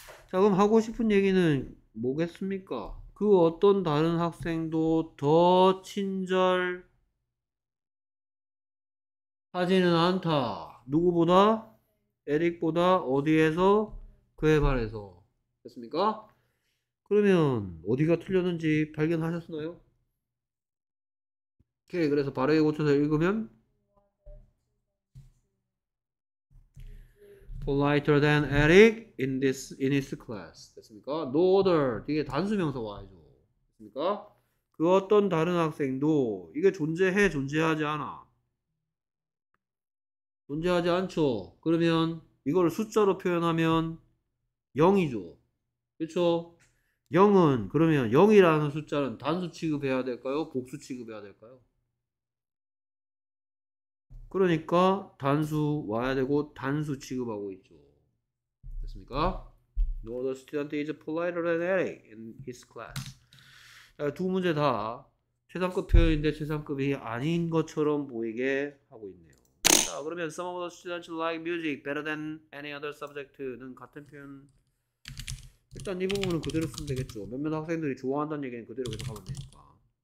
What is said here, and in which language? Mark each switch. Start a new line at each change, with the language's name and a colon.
Korean: 자, 그럼 하고 싶은 얘기는 뭐겠습니까? 그 어떤 다른 학생도 더 친절하지는 않다. 누구보다? 에릭보다 어디에서? 그에 반해서. 됐습니까? 그러면 어디가 틀렸는지 발견하셨나요? 오케이, 그래서 바르게 고쳐서 읽으면
English: Politer than Eric in this in his class.
Korean: 됐습니까?
English: No other.
Korean: 이게 단수명사 와야죠. 됐습니까? 그 어떤 다른 학생도 이게 존재해 존재하지 않아. 존재하지 않죠. 그러면 이걸 숫자로 표현하면 0이죠. 그렇죠? 0은 그러면 0이라는 숫자는 단수 취급해야 될까요? 복수 취급해야 될까요? 그러니까 단수 와야 되고 단수 취급하고 있죠. 됐습니까?
English: No other student is politer than Eric in his class.
Korean: 두 문제 다 최상급 표현인데 최상급이 아닌 것처럼 보이게 하고 있네요.
English: 자, 그러면 some of the students like music better than any other subject는
Korean: 같은 표현. 일단 이 부분은 그대로 쓰면 되겠죠. 몇몇 학생들이 좋아한다는 얘기는 그대로 계속 하면 되니까.